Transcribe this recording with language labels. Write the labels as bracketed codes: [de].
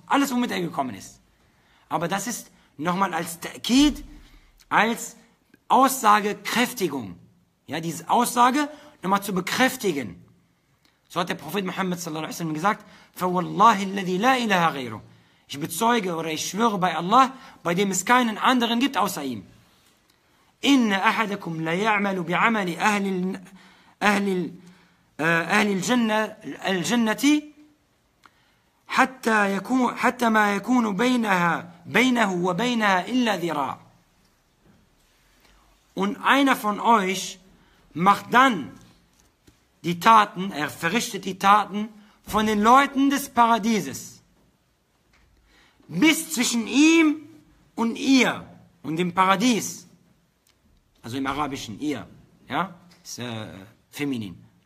[de] Alles, womit er gekommen ist. Aber das ist nochmal als Ta'kid, als Aussagekräftigung. Ja, diese Aussage nochmal zu bekräftigen. So hat der Prophet Muhammad sallallahu alaihi wasallam gesagt, [ar] فَوَاللَّهِ الَّذِي لَا إِلَهَ غَيْرُ [de] Ich bezeuge oder ich schwöre bei Allah, bei dem es keinen anderen gibt außer ihm. [ar] إِنَّ أَحَدَكُمْ لَيَعْمَلُ بِعَمَلِ أَهْلِ الْجَنَّةِ حتى ما يكون بينه وبينها إلا ذراع. [de] Und einer von euch macht dann die Taten, er verrichtet die Taten von den Leuten des Paradieses, bis zwischen ihm und ihr und dem Paradies, also im Arabischen ihr, ja, ist feminin.